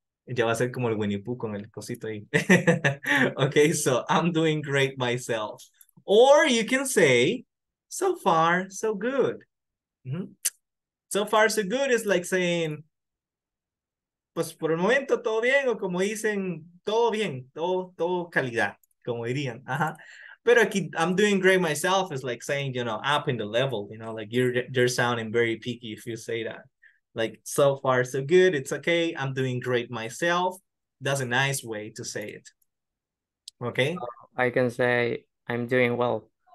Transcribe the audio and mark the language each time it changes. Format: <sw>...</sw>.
<es>Ya va a ser como el Winnie Pooh con el cosito ahí.</es> <en>Okay, so I'm doing great myself. Or you can say, so far, so good. So far, so good is like saying,</en> <es>pues por el momento todo bien, o como dicen, todo bien, todo calidad, como dirían. Pero aquí,</es> <en>I'm doing great myself is like saying, you know, up in the level, you know, like you're sounding very picky if you say that. Like, so far, so good. It's okay. I'm doing great myself. That's a nice way to say it. Okay. I can say I'm doing well.</en>